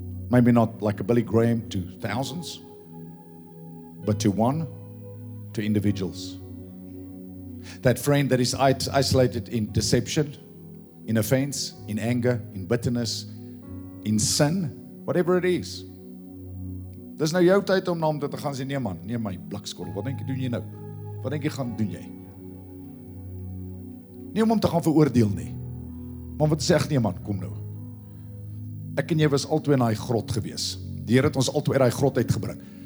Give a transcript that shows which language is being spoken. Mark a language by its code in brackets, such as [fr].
[en] Maybe not like a Billy Graham to thousands, but to one, to individuals. That friend that is isolated in deception, in offense, in anger, in bitterness, in sin, whatever it is. [af] Dis nou jou tyd om na hom te gaan sê, nee man, nee my blikskorrel, wat denk jy doen jy nou? Wat denk jy gaan doen jy? Nie om hom te gaan veroordeel nie. Maar wat sê, nee man, kom nou. Ek en jy was al twee in daai grot gewees. Die Here het ons al twee uit daai grot uitgebring.